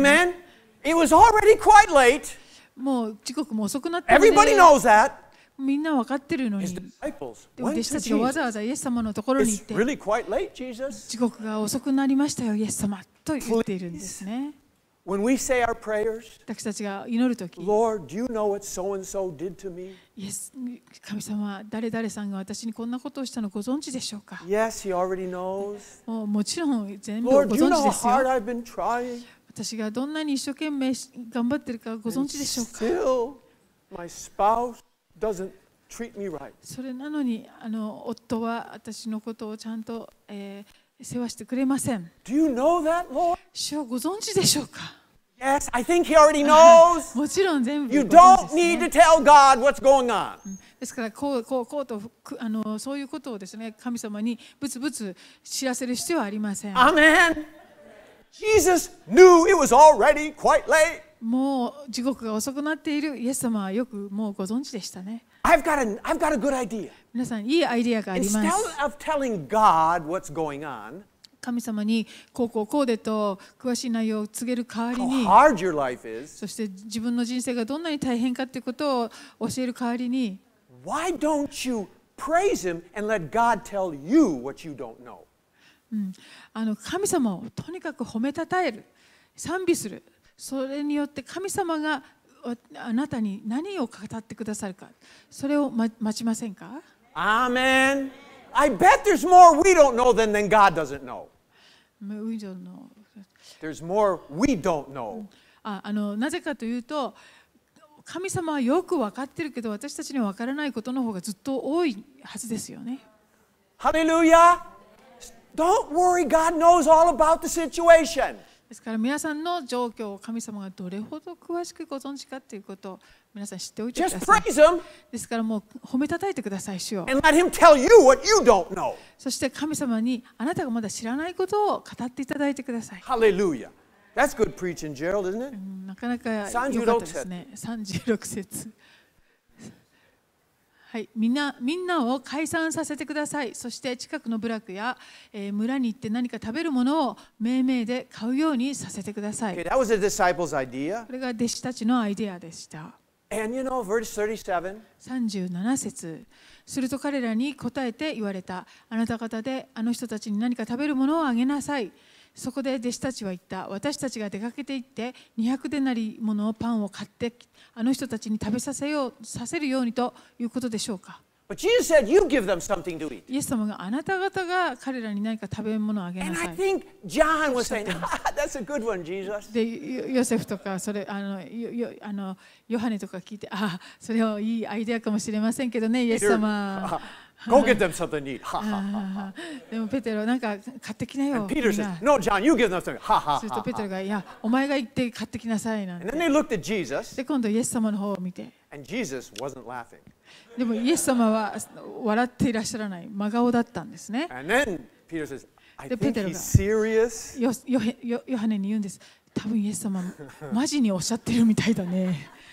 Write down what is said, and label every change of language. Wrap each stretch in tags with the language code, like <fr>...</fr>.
<en>Amen. It was already quite late.</en> <ja>もう時刻も遅くなった</ja> <en>ね。Everybody knows that.</en> <ja>みんな分かってるのに。</ja> <en>His disciples went to Jesus.</en> <ja>弟子たちがわざわざイエス様のところに行って。</ja> <en>It's really quite late, Jesus.</en> <ja>時刻が遅くなりましたよ、イエス様と言っているんですね。</ja> <en>Please, when we say our prayers,</en> <ja>私たちが祈るとき、</ja> <en>Lord, do you know what so and so did to me?</en> <ja>イエス神様、誰々さんが私にこんなことをしたのご存知でしょうか。</ja> <en>Yes, he already knows.</en> <ja>もちろん全部ご存知ですよ。</ja> <en>Lord, you know how hard I've been trying.</en> <ja>私がどんなに一生懸命頑張ってるかご存知でしょうか。</ja> <en>And still, my spouse doesn't treat me right.</en> <ja>それなのに夫は私のことをちゃんと、世話してくれません。</ja> <en>Do you know that, Lord?</en> <ja>主をご存知でしょうか。</ja> <en>Yes, I think he already knows.</en> <ja>もちろん全部、ね、</ja> <en>You don't need to tell God what's going on.</en> <ja>ですからこうとそういうことをですね、神様にブツブツ知らせる必要はありません。</ja> <en>Amen. Jesus knew it was already quite late.</en> <ja>もう時刻が遅くなっているイエス様はよくもうご存知でしたね。</ja> <en>I've got a good idea.</en> <ja>皆さんいいアイデアがあります。</ja> <en>Instead of telling God what's going on.</en> <ja>神様にこうこうこうでと詳しい内容を告げる代わりに、そして自分の人生がどんなに大変かということを教える代わりに、神様をとにかく褒めたたえる、賛美する、それによって神様があなたに何を語ってくださるか、それを待ちませんか。アーメン。</ja> <en>I bet there's more we don't know than God doesn't know We don't know. There's more we don't know.</en> <ja>なぜかというと、神様はよくわかってるけど、私たちにはわからないことの方がずっと多いはずですよね。</ja> <en>Hallelujah! Don't worry, God knows all about the situation.</en> <ja>ですから、皆さんの状況を神様がどれほど詳しくご存知かということを皆さん知っておいてください。</ja> <en>Just praise him.</en> <ja>ですから、もう褒めたたいてください、主を。</ja> <en>And let him tell you what you don't know.</en> <ja>そして神様にあなたがまだ知らないことを語っていただいてください。</ja> <en>Hallelujah. That's good preaching, Gerald, isn't it?</en> <ja>なかなか良かったですね。36節。はい、みんなを解散させてください。そして近くの部落や、村に行って何か食べるものをめいめいで買うようにさせてください。</ja> <en>Okay, that was the disciples' idea.</en> <ja>これが弟子たちのアイデアでした。</ja> <en>And you know, verse</en> <ja>37節。すると彼らに答えて言われた。あなた方であの人たちに何か食べるものをあげなさい。そこで弟子たちは言った。私たちが出かけて行って200デナリものパンを買ってあの人たちに食べさせようさせるようにということでしょうか。</ja> <en>But Jesus said, "You give them something to eat."</en> <ja>イエス様があなた方が彼らに何か食べ物をあげなさい。</ja> <en>And I think John was saying, "That's a good one, Jesus."</en> <ja>で、ヨセフとかそれヨハネとか聞いて、ああ、それはいいアイデアかもしれませんけどね、イエス様。</ja> <en>Go get them something to eat.</en> <ja>でもペテロなんか買ってきなよ。</ja> <en>And Peter says, "No, John, you give them something." Ha ha.</en> <ja>そしてペテロがいや、お前が行って買ってきなさいなんて。</ja> <en>And then they looked at Jesus.</en> <ja>で今度イエス様の方を見て。</ja> <en>And Jesus wasn't laughing.</en> <ja>でもイエス様は笑っていらっしゃらない真顔だったんですね。</ja> <en>And then Peter says, "I think he's serious."</en> <ja>ヨハネに言うんです。多分イエス様マジにおっしゃってるみたいだね。</ja>